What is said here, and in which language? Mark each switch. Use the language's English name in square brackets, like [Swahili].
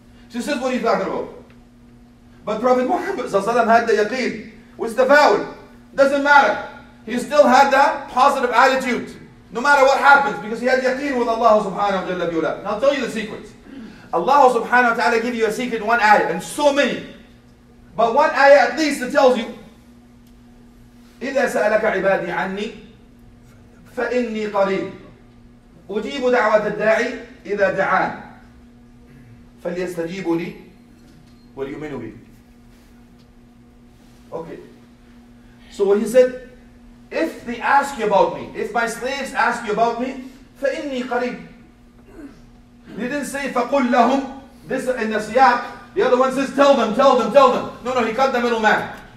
[English] She says, what are you talking about? But Prophet Muhammad had the yaqeen, which is the fawl. Doesn't matter. He still had that positive attitude, no matter what happens, because he had yaqeen with Allah subhanahu wa ta'ala. Now I'll tell you the secret. Allah subhanahu wa ta'ala give you a secret in one ayah, and so many. But one ayah at least that tells you, [Arabic] إِذَا سَأَلَكَ عِبَادِي عَنِّي فَإِنِّي قَرِيبٌ أُجِيبُ دَعْوَةَ الدَّاعِي إِذَا دَعَانِ فَلْيَسْتَجِيبُ لِي وَلْيُؤْمِنُ بِي. [English] Okay. So what he said, if they ask you about me, if my slaves ask you about me, [Arabic] فَإِنِّي قَرِيبٌ. [English] He didn't say [Arabic] فَقُلْ لَهُمْ. [English] This in the siyaq, the other one says tell them. No, no, he cut the middle man.